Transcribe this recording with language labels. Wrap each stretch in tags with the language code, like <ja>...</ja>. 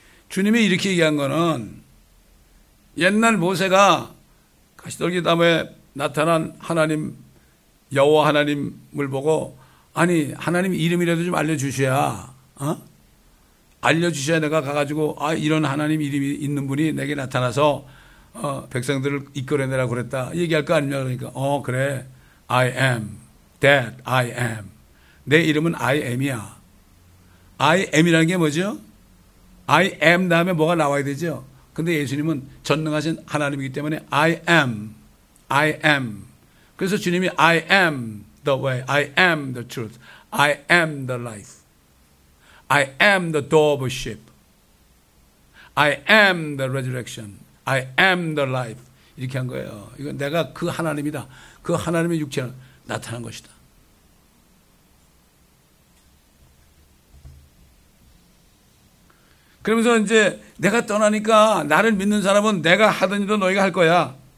<ko>주님이 이렇게 얘기한 거는 옛날 모세가 가시돌기 나무에 나타난 하나님 여호와 하나님을 보고 아니 하나님 이름이라도 좀 알려주셔야 알려주셔야 내가 가가지고 아 이런 하나님 이름이 있는 분이 내게 나타나서 백성들을 이끌어내라고 그랬다 얘기할 거 아니냐 그러니까 그래</ko> <en>I am that I am</en> <ko>내 이름은</ko> <en>I am</en> <ko>이야 I am이라는 게 뭐죠?</ko> <en>I am</en> <ko>다음에 뭐가 나와야 되죠? 근데 예수님은 전능하신 하나님이기 때문에</ko> <en>I am, I am.</en> <ko>그래서 주님이</ko> <en>I am the way, I am the truth, I am the life, I am the door of sheep, I am the resurrection, I am the life.</en> <ko>이렇게 한 거예요. 이건 내가 그 하나님이다. 그 하나님의 육체로 나타난 것이다. 그러면서 이제 내가 떠나니까 나를 믿는 사람은 내가 하던 일도 너희가 할 거야.</ko>